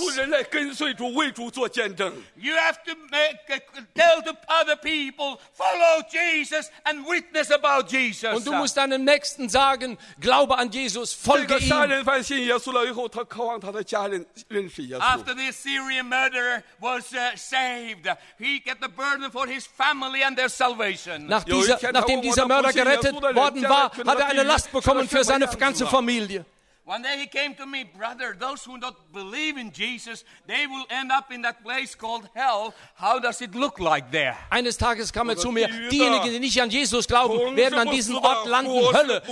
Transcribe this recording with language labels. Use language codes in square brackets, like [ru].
[en] You have to tell the other people, follow Jesus and witness about Jesus. [de] Und du musst deinem Nächsten sagen, glaube an Jesus, folge ihm. [en] After this Syrian murderer was saved, he got the burden for his family and their salvation. [de] Nachdem dieser Mörder gerettet worden war, hat er eine Last bekommen für seine ganze Familie. [en] One day he came to me, brother, those who don't believe in Jesus, they will end up in that place called hell. How does it look like there? [de] Eines Tages kam zu mir, diejenigen, die nicht an Jesus glauben, werden an diesem Ort landen, Hölle.